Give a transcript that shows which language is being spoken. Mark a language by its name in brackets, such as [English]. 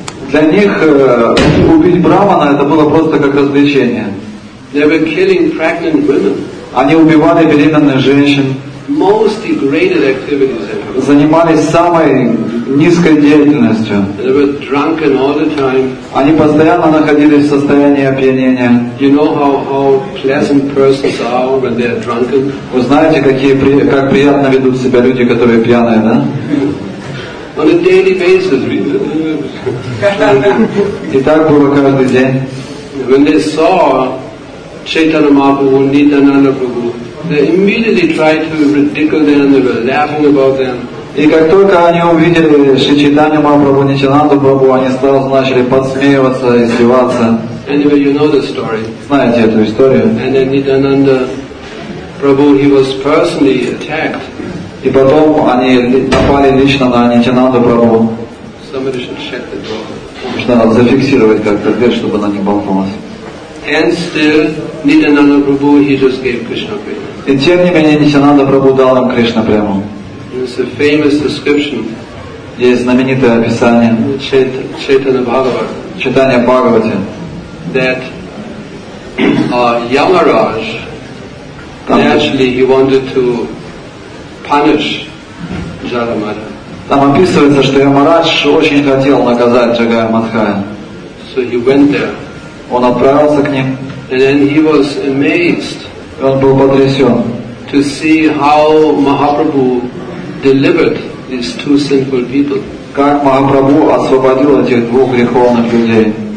[Russian] Для них убить брахмана это было просто как развлечение. Они убивали беременных женщин. Занимались самой низкой деятельностью. [English] They were drunken all the time. [Russian] Они постоянно находились в состоянии опьянения. [English] You know how pleasant persons are when they are drunken? [Russian] Вы знаете, как приятно ведут себя люди, которые пьяные, да? [English] On a daily basis. [Russian] И так было каждый день. [English] When they saw Chaitanya Mahaprabhu, Nityananda Prabhu, they immediately tried to ridicule them, they were laughing about them. [Russian] И как только они увидели Шри Чайтанью Махапрабху, Нитянанду Прабху, они сразу начали подсмеиваться, издеваться. [English] Anyway, you know the story. [Russian] Знаете эту историю? [English] And then Nityananda Prabhu, he was personally attacked. [Russian] И потом они напали лично на Нитянанду Прабху. [English] Somebody should check the door. [Russian] Нужно зафиксировать как-то дверь, чтобы она не болталась. [English] And still, Nityananda Prabhu, he just gave Krishna prema. [Russian] И тем не менее Нитянанда Прабху дал им Кришна прему. [English] It's a famous description. [Russian] Есть знаменитое описание. Чайтанья Бхагавата. Читание Бхагавате. [English] That Yamaraj, actually he wanted to punish Jagannatha. [Russian] Там описывается, что Ямарадж очень хотел наказать Джагая Мадхая. [English] So he went there. [Russian] Он отправился к ним. [English] And then he was amazed. [Russian] Он был потрясен. [English] To see how Mahaprabhu delivered these two sinful people. [Russian] Как Махапрабху освободил этих двух греховных людей?